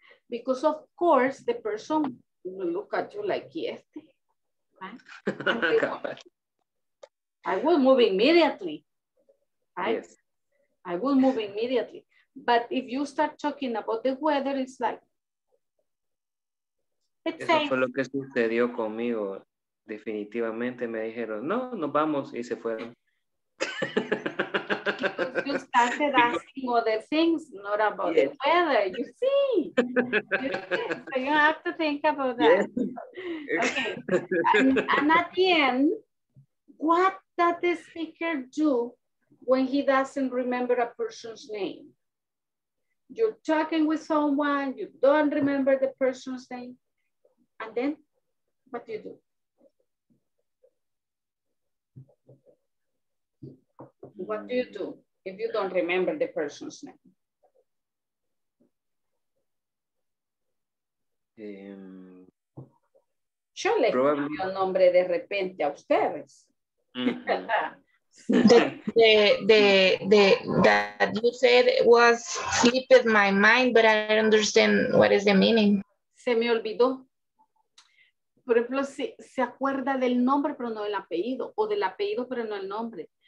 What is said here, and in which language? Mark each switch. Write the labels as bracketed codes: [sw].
[en] Because of course, the person will look at you like, yes. Right? I will move immediately. Right? Yes. I will move immediately. But if you start talking about the weather, it's like, it's safe. [es] Eso fue lo que sucedió conmigo. Definitivamente me dijeron, no, nos vamos, y se fueron. [en] Because you started asking other things, not about yes. the weather, you see. So you have to think about that. Yes. Okay. And at the end, what does the speaker do when he doesn't remember a person's name? You're talking with someone, you don't remember the person's name, and then what do? What do you do if you don't remember the person's name? [es] Yo le cambio el nombre de repente a ustedes. [en] That you said was slipped my mind, but I don't understand what is the meaning. [es] Se me olvidó. Por ejemplo, se acuerda del nombre, pero no del apellido, o del apellido, pero no el nombre.